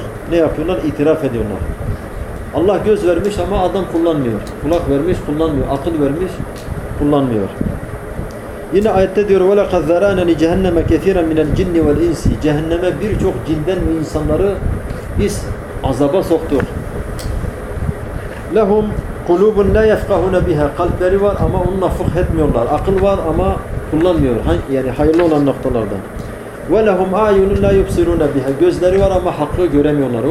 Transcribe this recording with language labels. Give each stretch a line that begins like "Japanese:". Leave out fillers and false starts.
Turkish: Ne yapıyorlar? İtiraf ediyorlar. Allah göz vermiş ama adam kullanmıyor. Kulak vermiş, kullanmıyor. Akıl vermiş, kullanmıyor. Yine ayette diyor
Arabic: وَلَقَدْ ذَرَانَا لِجَهَنَّمَ كَثِيرًا مِنَ الْجِنِّ وَالْاِنْسِ.
Turkish: Cehenneme birçok cinden ve insanları biz azaba soktuk.
Arabic: lehum kulubun la yefkahuna biha.
Turkish: Kalpleri var ama onunla fıkh etmiyorlar. Akıl var ama kullanmıyor. Yani hayırlı olan noktalardan.
Arabic: Ve lehum ayunun la yubsiruna biha.
Turkish: Gözleri var ama hakkı göremiyorlar.